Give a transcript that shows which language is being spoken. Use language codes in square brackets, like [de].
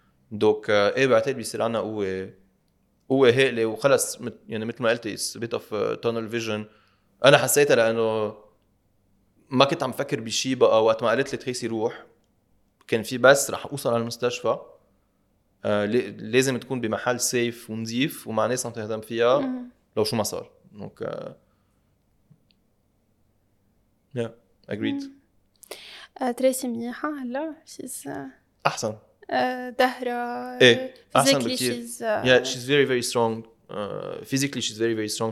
[ar] دوك ايه بعتقد بيصير عنا قوة هائلة، وخلص يعني مثل ما قلت [en] bit of tunnel vision, [ar] انا حسيتها لانه ما كنت عم فكر بشي بقى، وقت ما قالت لي تريسي روح كان في بس رح اوصل على المستشفى، لازم تكون بمحل سيف ونظيف ومع ناس عم تهتم فيها لو شو ما صار. [en] دوك Yeah, agreed. [ar] تريسي منيحة هلا؟ she's أحسن. دهرة. إيه. أحسن بكثير. [en] Yeah, she's very very strong. Physically she's very very strong.